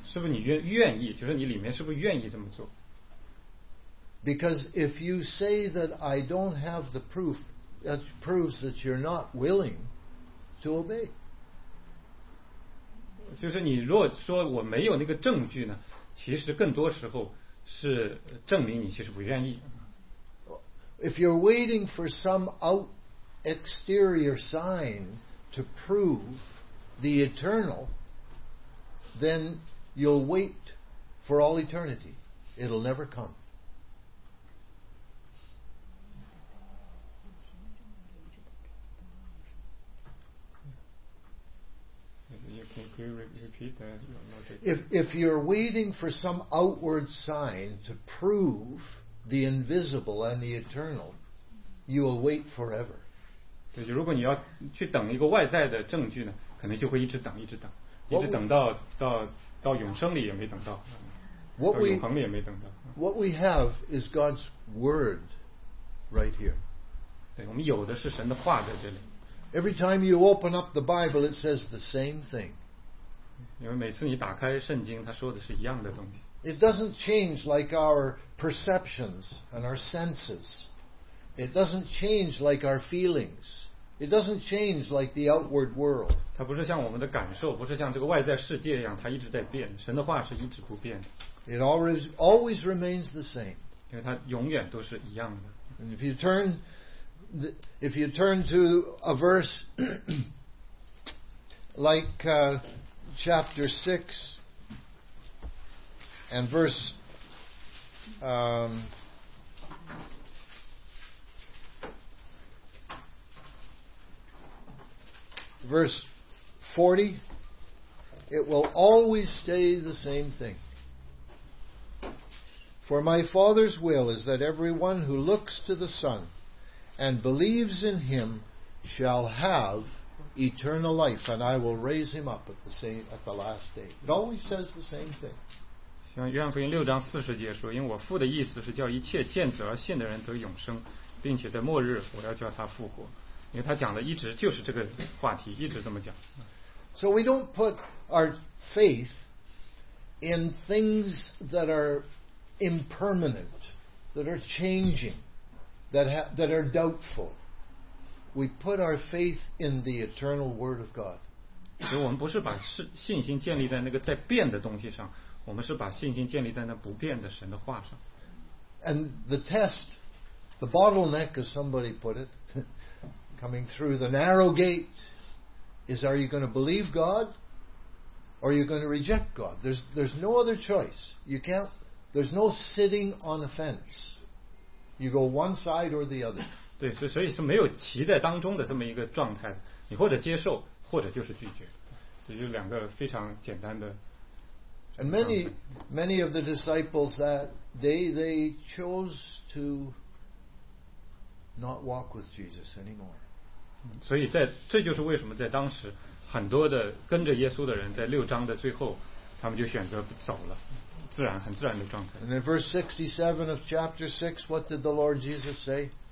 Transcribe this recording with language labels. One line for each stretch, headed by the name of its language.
Chinese: 是不是你愿意，就是你里面是不是愿意这么做。
English: Because if you say that I don't have the proof, that proves that you're not willing to obey.
Chinese: 就是你如果说我没有那个证据呢，其实更多时候是证明你其实不愿意。
English: If you're waiting for some out exterior sign to prove the eternal, then you'll wait for all eternity. It'll never come. Can you repeat that? If you're waiting for some outward sign to prove the invisible and the eternal, you will wait forever.
Chinese: 对，就如果你要去等一个外在的证据呢，可能就会一直等，一直等，一直等到到永生里也没等到，到永恒里也没等到。
English: What we have is God's word, right here.
Chinese: 对，我们有的是神的话在这里。
English: Every time you open up the Bible, it says the same thing.
Chinese: 因为每次你打开圣经，它说的是一样的东西。
English: It doesn't change like our perceptions and our senses. It doesn't change like our feelings. It doesn't change like the outward world.
Chinese: 它不是像我们的感受，不是像这个外在世界一样，它一直在变。神的话是一直不变的。
English: It always remains the same.
Chinese: 因为它永远都是一样的。
English: And if you turn to a verse like chapter 6, and verse 40, it will always stay the same thing. For my Father's will is that everyone who looks to the Son and believes in him shall have eternal life, and I will raise him up at the last day. It always says the same thing.
Chinese: 像约翰福音六章四十节说，因为我父的意思是叫一切见子而信的人得永生，并且在末日我要叫他复活。因为他讲的一直就是这个话题，一直这么讲。
English: So we don't put our faith in things that are impermanent, that are changing, that are doubtful. We put our faith in the eternal word of God.
Chinese: 所以我们不是把信心建立在那个在变的东西上，我们是把信心建立在那不变的神的话上。
English: And the test, the bottleneck, as somebody put it, coming through the narrow gate, is are you going to believe God or are you going to reject God? There's no other choice. You can't, there's no sitting on a fence. You go one side or the other.
Chinese: 对，所以是没有棋在当中的这么一个状态，你或者接受或者就是拒绝，这就是两个非常简单的。
English: And many of the disciples that day, they chose to not walk with Jesus anymore.
Chinese: 所以在这就是为什么在当时很多的跟着耶稣的人在六章的最后他们就选择走了，自然很自然的状态。
English: And in verse 67 of chapter 6, what did the Lord Jesus say?